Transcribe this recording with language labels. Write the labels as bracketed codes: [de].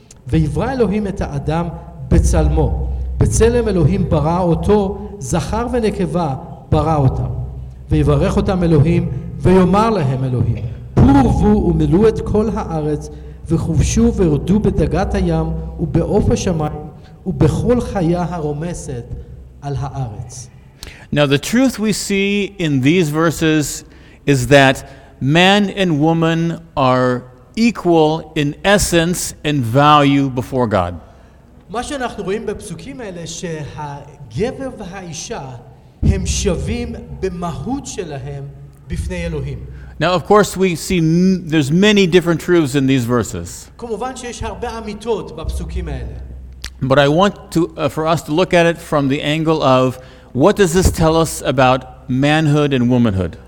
[he] ויברא אלוהים את האדם בצלמו. בצלם אלוהים ברא אותו, זכר ונקבה ברא אותם. ויברך אותם אלוהים, ויאמר להם אלוהים, פרו ורבו ומלאו את כל הארץ, וכובשו וירדו בדגת הים, ובעוף השמיים, ובכל חיה הרומסת על הארץ. [en] Now the truth we see in these verses is that man and woman are equal in essence and value before God. [he] מה שאנחנו רואים בפסוקים האלה שהגבר והאישה הם שווים במהות שלהם בפני אלוהים. [en] Now of course we see there's many different truths in these verses. [he] כמובן שיש הרבה אמיתות בפסוקים האלה. [en] But I want to for us to look at it from the angle of what does this tell us about manhood and womanhood?